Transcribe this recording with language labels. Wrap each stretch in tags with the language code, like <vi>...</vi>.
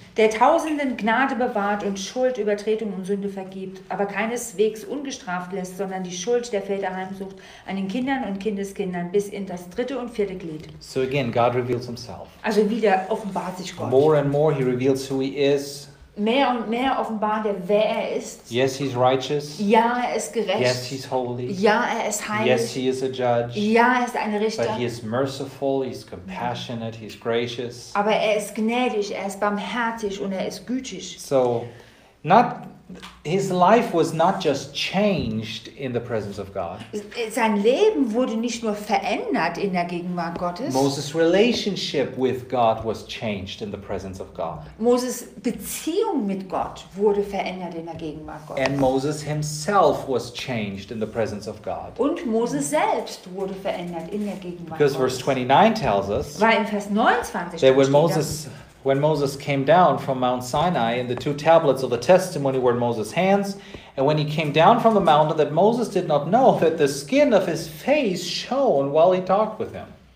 <de>Der Tausenden Gnade bewahrt und Schuld, Übertretung und Sünde vergibt, aber keineswegs ungestraft lässt, sondern die Schuld der Väter heimsucht an den Kindern und Kindeskindern bis in das dritte und vierte Glied.</de> <en>So again, God reveals himself.</en> <de>Also wieder offenbart sich Gott.</de> <en>More and more he reveals who he is.</en> <de>Mehr und mehr offenbart er, wer er ist.</de> <en>Yes, he's righteous.</en> <de>Ja, er ist gerecht.</de> <en>Yes, he's holy.</en> <de>Ja, er ist heilig.</de> <en>Yes, he is a judge.</en> <de>Ja, er ist ein Richter.</de> <en>But he is merciful, he's compassionate, he's gracious.</en> <de>Aber er ist gnädig, er ist barmherzig und er ist gütig.</de> <en>So, not His life was not just changed in the presence of God.</en> <de>Sein Leben wurde nicht nur verändert in der Gegenwart Gottes.</de> <en>Moses' relationship with God was changed in the presence of God.</en> <de>Moses' Beziehung mit Gott wurde verändert in der Gegenwart Gottes.</de> <en>And Moses himself was changed in the presence of God.</en> <de>Und Moses selbst wurde verändert in der Gegenwart</de> <en>Gottes. Because verse 29 tells us.</en> <de>Weil in Vers 29</de> <en>steht, when Moses When Moses came down from Mount Sinai and the two tablets of the testimony were in Moses' hands, and when he came down from the mountain, that Moses did not know that the skin of his face shone while he talked with him.</en>